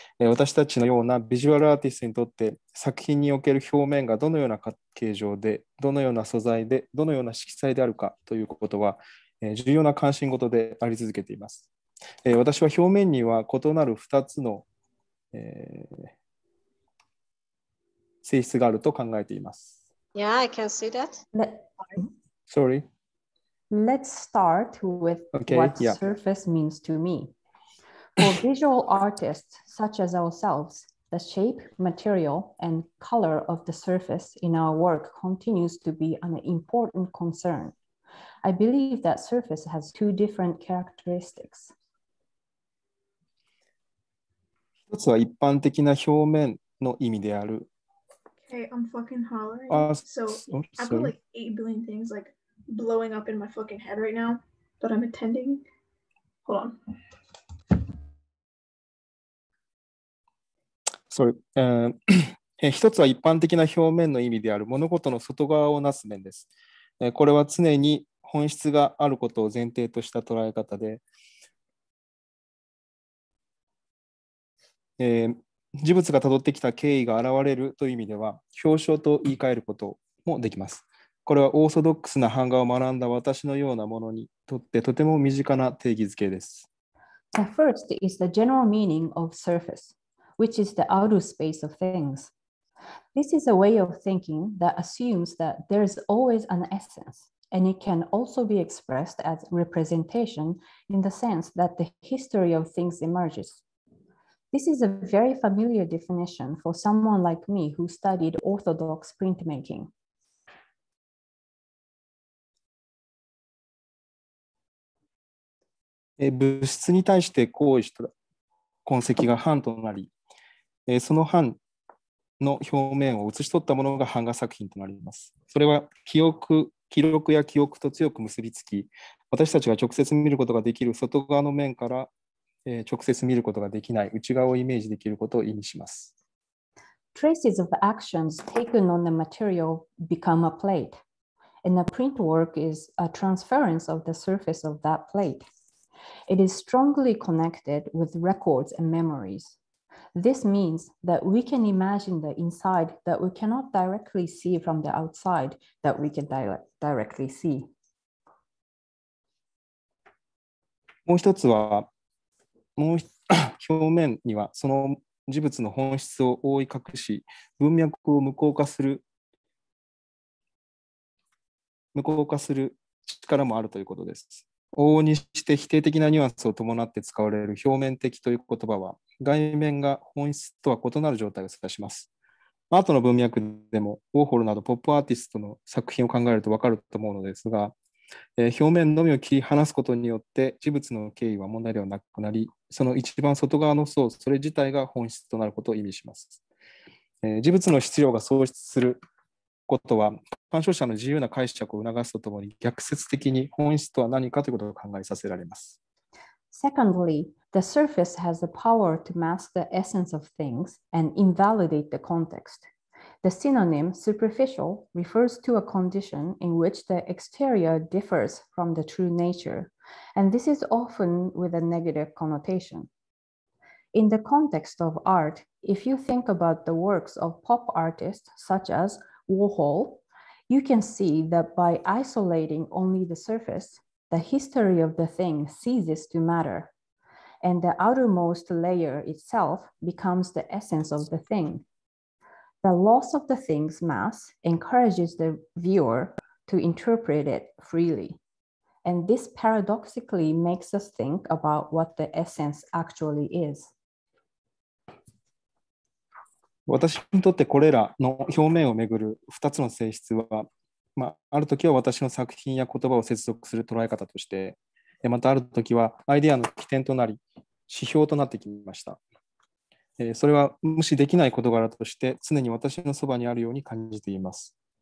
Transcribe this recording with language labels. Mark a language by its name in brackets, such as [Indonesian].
[Japanese] 私たちのようなビジュアルアーティストにとって作品における表面がどのような形状で、どのような素材で、どのような色彩であるかということは、重要な関心事であり続けています。私は表面には異なる2つの、性質があると考えています。 [English] Yeah, I can see that. Sorry. Let's start with what surface means to me. For visual artists such as ourselves, the shape, material, and color of the surface in our work continues to be an important concern. I believe that surface has two different characteristics. [Japanese] 一つは一般的な表面の意味である。 [English] Hey, I'm fucking hollering. So, I've got like 8 billion things like blowing up in my fucking head right now, but I'm attending. Hold on. Sorry. [Japanese] 一つは一般的な表面の意味である物事の外側をなす面です。これは常に本質があることを前提とした捉え方で、事物が辿ってきた経緯が現れるという意味では表象と言い換えることもできます。これはオーソドックスな版画を学んだ私のようなものにとってとても身近な定義づけです。 [English] The first is the general meaning of surface, which is the outer space of things. This is a way of thinking that assumes that there is always an essence, and it can also be expressed as representation in the sense that the history of things emergesThis is a very familiar definition for someone like me who studied orthodox printmaking. [Japanese] え、物質に対して行為した痕跡が版となり、その版の表面を写し取ったものが版画作品となります。それは記憶、記録や記憶と強く結びつき、私たちが直接見ることができる外側の面から直接見ることができない内側をイメージできることを意味します。 [English] Traces of actions taken on the material become a plate, and the print work is a transference of the surface of that plate. It is strongly connected with records and memories. This means that we can imagine the inside that we cannot directly see from the outside that we can directly see. [Japanese] もう一つは、表面にはその事物の本質を覆い隠し、文脈を無効化する力もあるということです。往々にして否定的なニュアンスを伴って使われる表面的という言葉は、外面が本質とは異なる状態を指します。アートの文脈でも、ウォーホルなどポップアーティストの作品を考えると分かると思うのですが、表面のみを切り離すことによって事物の経緯は問題ではなくなり、その一番外側の層、それ自体が本質となることを意味します。事物の質量が喪失することは鑑賞者の自由な解釈を促すとともに、逆説的に本質とは何かということを考えさせられます。 [English] Secondly, the surface has the power to mask the essence of things and invalidate the contextThe synonym superficial refers to a condition in which the exterior differs from the true nature, and this is often with a negative connotation. In the context of art, if you think about the works of pop artists such as Warhol, you can see that by isolating only the surface, the history of the thing ceases to matter, and the outermost layer itself becomes the essence of the thing. The loss of the thing's mass encourages the viewer to interpret it freely. And this paradoxically makes us think about what the essence actually is. [Japanese] 私にとってこれらの表面をめぐる2つの性質は、あるときは私の作品や言葉を接続する捉え方として、またあるときはアイデアの起点となり、指標となってきました。それは無視できない事柄として常に私のそばにあるように感じています。